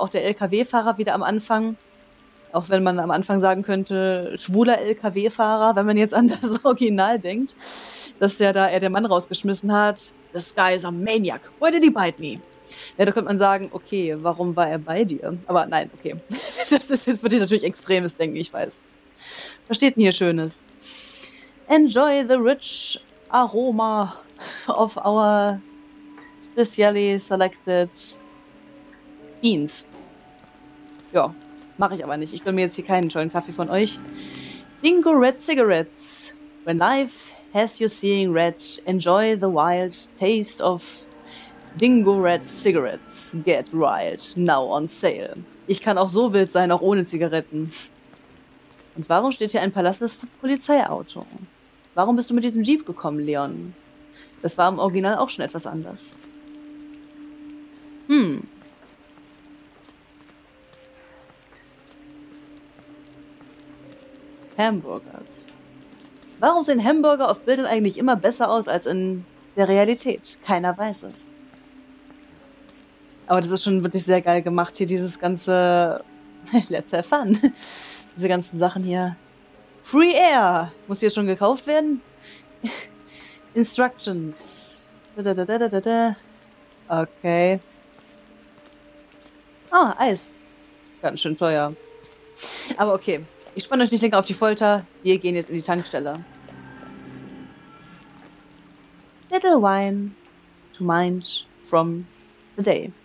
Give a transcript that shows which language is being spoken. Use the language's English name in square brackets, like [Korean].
[German] Auch der LKW-Fahrer wieder am Anfang. Auch wenn man am Anfang sagen könnte, schwuler LKW-Fahrer, wenn man jetzt an das Original denkt, dass ja da er den Mann rausgeschmissen hat. [English] This guy is a maniac. Why did he bite me? [German] Ja, da könnte man sagen, okay, warum war er bei dir? Aber nein, okay. Das ist jetzt wirklich natürlich extremes Denken, ich weiß. Was steht denn hier Schönes? [English] Enjoy the rich aroma of our specially selected beans. [German] Ja. Mache ich aber nicht. Ich will mir jetzt hier keinen tollen Kaffee von euch. [English] Dingo Red Cigarettes. When life has you seeing red, enjoy the wild taste of Dingo Red Cigarettes. Get wild. Now on sale. [German] Ich kann auch so wild sein, auch ohne Zigaretten. Und warum steht hier ein palastes Polizeiauto? Warum bist du mit diesem Jeep gekommen, Leon? Das war im Original auch schon etwas anders. Hm. Hamburgers. Warum sehen Hamburger auf Bildern eigentlich immer besser aus als in der Realität? Keiner weiß es. Aber das ist schon wirklich sehr geil gemacht hier, dieses ganze [English] Let's have fun. [German] Diese ganzen Sachen hier. Free Air. Muss hier jetzt schon gekauft werden? [English] Instructions. Okay. [German] Ah, Eis. Ganz schön teuer. Aber okay. Ich spanne euch nicht länger auf die Folter. Wir gehen jetzt in die Tankstelle. Little wine to mind from the day.